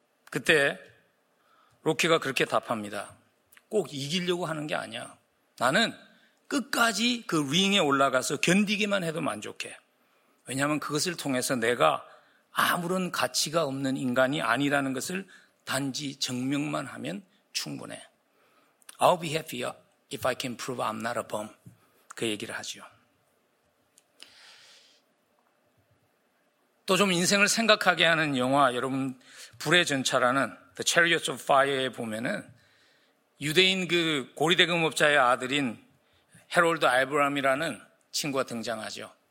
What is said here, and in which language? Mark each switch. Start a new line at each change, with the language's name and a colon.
Korean: 그때 로키가 그렇게 답합니다. 꼭 이기려고 하는 게 아니야. 나는 끝까지 그 링에 올라가서 견디기만 해도 만족해. 왜냐하면 그것을 통해서 내가 아무런 가치가 없는 인간이 아니라는 것을 단지 증명만 하면 충분해.
English: I'll be happier if I can prove I'm not a bum.
Korean: 그 얘기를 하죠. 또 좀 인생을 생각하게 하는 영화 여러분 불의 전차라는 The Chariots of Fire에 보면은 유대인 그 고리대금업자의 아들인 해롤드 아브라함이라는 친구가 등장하죠.